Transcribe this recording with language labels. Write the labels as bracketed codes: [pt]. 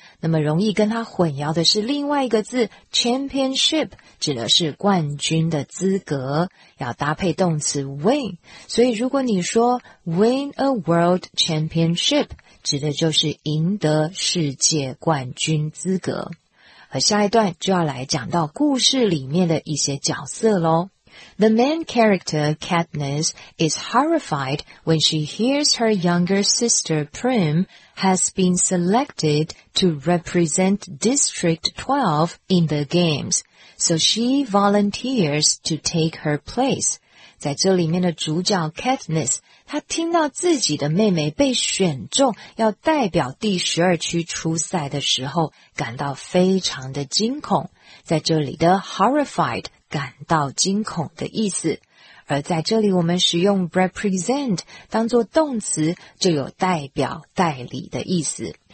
[zh] 那么容易跟它混淆的是另外一个字 championship， 指的是冠军的资格，要搭配动词 win。所以如果你说 [en] win a world championship， [zh] 指的就是赢得世界冠军资格。而下一段就要来讲到故事里面的一些角色咯。 [en] The main character, Katniss, is horrified when she hears her younger sister, Prim, has been selected to represent District 12 in the games, so she volunteers to take her place. [zh] 在这里面的主角 Katniss, 她听到自己的妹妹被选中要代表第十二区出赛的时候感到非常的惊恐。在这里的 horrified,感到惊恐的意思，而在这里我们使用 represent 当作动词，就有代表代理的意思。